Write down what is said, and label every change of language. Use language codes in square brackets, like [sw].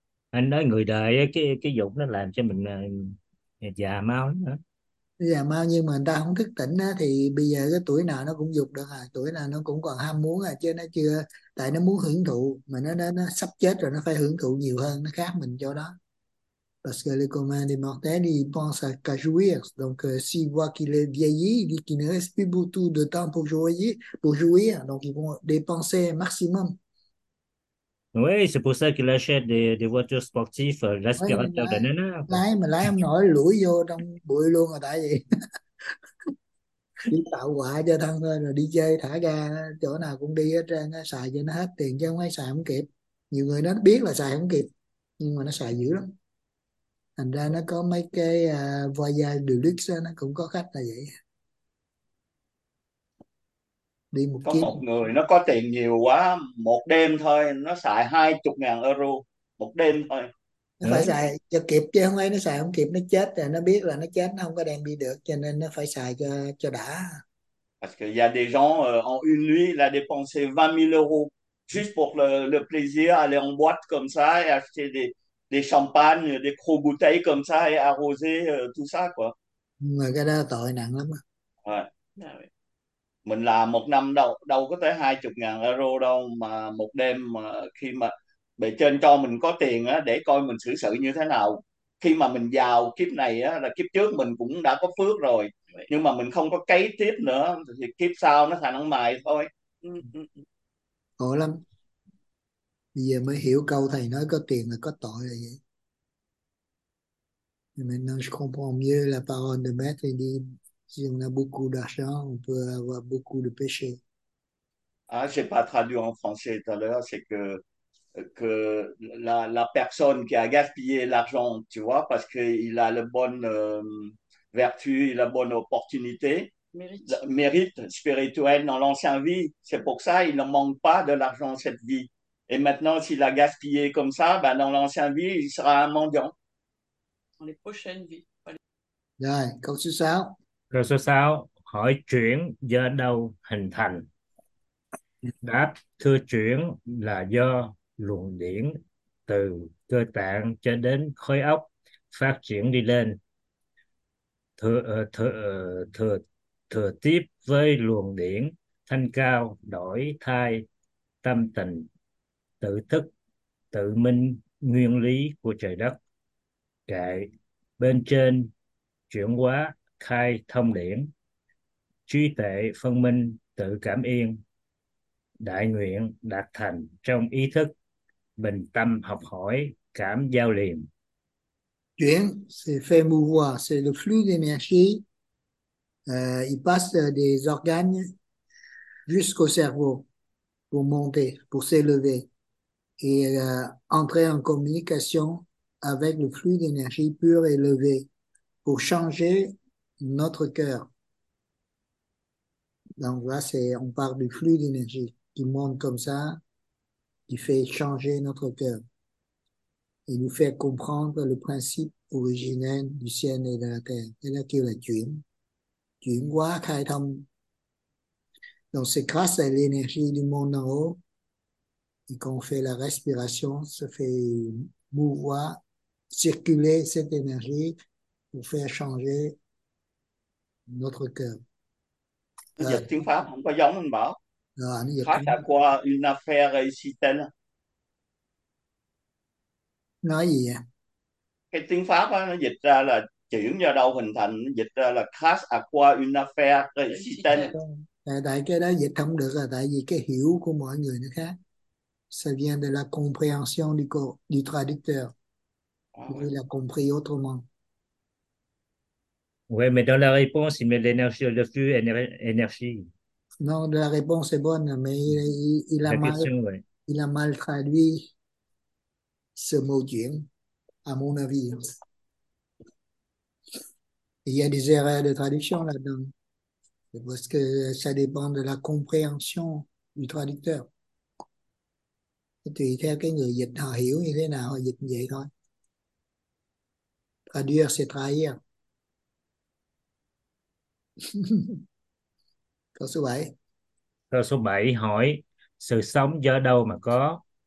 [vi] Anh nói người đời ấy, cái dục nó làm cho mình già mau lắm nữa. Bây giờ mau nhưng mà người ta không thức tỉnh á, thì bây giờ cái tuổi nào nó cũng dục được à, tuổi nào nó cũng còn ham muốn à, chứ nó chưa, tại nó muốn hưởng thụ mà nó sắp chết rồi, nó phải hưởng thụ nhiều hơn, nó khác mình chỗ đó. [fr] Parce que le commandement d'aimer pense à jouir, donc si voit qu'il est vieilli, dit qu'il ne reste plus beaucoup de temps pour jouir, donc ils vont dépenser maximum. Oui, c'est pour ça qu'il achète des voitures sportives, Ouais, mais l'aspirateur de nénuphars. [vi] lái mà lái không nổi lủi vô trong bụi luôn rồi, tại vì đi tạo họa cho thân thôi, rồi đi chơi thả ga chỗ nào cũng đi hết trơn, nó xài cho nó hết tiền chứ không ai xài không kịp. Nhiều người nó biết là xài không kịp nhưng mà nó xài dữ lắm, thành ra nó có mấy cái [fr] voyage de luxe, [vi] nó cũng có khách là vậy, đi một Có một người nó có tiền nhiều quá, một đêm thôi nó xài 20.000 euro một đêm thôi. Phải Đấy. xài cho kịp chứ không ấy nó xài không kịp, nó chết rồi, nó biết là nó chết, nó không có đem đi được, cho nên nó phải xài cho đã. [fr] Parce que il y a des gens en une nuit là dépenser 20 000 euros juste pour le plaisir aller en boîte comme ça et acheter des champagnes, des gros bouteilles comme ça et arroser tout ça quoi. [vi] Mà cái đó tội nặng lắm. Mình làm một năm đâu đâu có tới 20.000 euro đâu, mà một đêm mà khi mà bề trên cho mình có tiền á để coi mình xử sự như thế nào, khi mà mình giàu kiếp này á là kiếp trước mình cũng đã có phước rồi, nhưng mà mình không có cấy tiếp nữa thì kiếp sau nó thành ăn mày thôi. Khổ lắm. Bây giờ mới hiểu câu thầy nói có tiền là có tội là vậy. [fr] Maintenant, je comprends mieux la parole de maître. Il dit, si on a beaucoup d'argent, on peut avoir beaucoup de péché. Ah, je n'ai pas traduit en français tout à l'heure, c'est que la personne qui a gaspillé l'argent, tu vois, parce qu'il a la bonne vertu, la bonne opportunité, Mérite. mérite spirituel dans l'ancienne vie, c'est pour ça qu'il ne manque pas de l'argent cette vie. Et maintenant, s'il a gaspillé comme ça, ben dans l'ancienne vie, il sera un mendiant. Dans les prochaines vies. [vi] Rồi, câu số 6. Câu số 6, hỏi chuyển do đâu hình thành? Đáp, thưa chuyển là do luồng điển từ cơ tạng cho đến khối óc phát triển đi lên. Thừa, thừa, thừa, thừa tiếp với luồng điển thanh cao đổi thay tâm tình tự thức tự minh nguyên lý của trời đất. Kệ bên trên chuyển hóa khai thông điển trí tuệ phân minh tự cảm yên. Đại nguyện đạt thành trong ý thức, bình tâm học hỏi, cảm giao liền. [fr] Chuyển, c'est faire mouvoir, c'est le flux d'énergie. Il passe des organes jusqu'au cerveau pour monter, pour s'élever et entrer en communication avec le flux d'énergie pur et élevé pour changer notre cœur. Donc là, c'est, on parle du flux d'énergie qui monte comme ça, qui fait changer notre cœur et nous faire comprendre le principe originel du ciel et de la terre. Et là [vi] kêu là chuyển. Chuyển hóa khai thông. [fr] Donc c'est grâce à l'énergie du monde en haut et qu'on fait la respiration, se fait mouvoir, circuler cette énergie pour faire changer notre cœur. [vi] Nó dịch tiếng Pháp không có giống anh bảo. Rồi, anh dịch Phát cũng đã qua [fr] une affaire ici [vi] tên. nói gì vậy? Cái tiếng Pháp đó, nó dịch ra là chuyển do đâu hình thành, dịch ra là phát đã qua [fr] une affaire ici [vi] tên. Tại cái đó dịch không được là tại vì cái hiểu của mọi người nó khác. [fr] Ça vient de la compréhension du traducteur. Lui l'a compris autrement. Oui, mais dans la réponse, il met l'énergie, le flux énergie. Non, la réponse est bonne, mais La question, oui. il a mal traduit ce mot chuyển, à mon avis. Il y a des erreurs de traduction là-dedans. Parce que ça dépend de la compréhension du traducteur. [vi] Tùy theo cái người dịch họ hiểu như thế nào, họ dịch vậy thôi. [fr] Traduire, c'est trahir. [vi] Câu số 7. Câu số 7 hỏi: sự sống do đâu mà có?